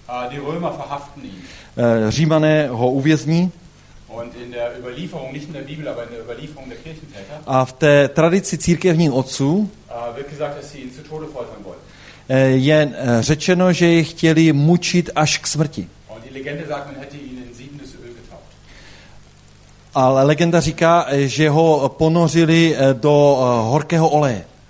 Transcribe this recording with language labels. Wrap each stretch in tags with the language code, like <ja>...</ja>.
<de>Die Römer verhaften ihn.</de> <cs>Římané ho uvězní.</cs> <de>Und in der Überlieferung, nicht in der Bibel, aber in der Überlieferung der Kirchenväter.</de> <cs>A v té tradici církevních otců</cs> <de>wird gesagt, dass sie ihn zu Tode foltern wollen.</de> <cs>Je řečeno, že je chtěli mučit až k smrti.</cs> <de>Und die Legende sagt, man hätte ihn in siedendes Öl getaucht.</de> <cs>ale legenda říká, že ho ponořili do horkého oleje.</cs>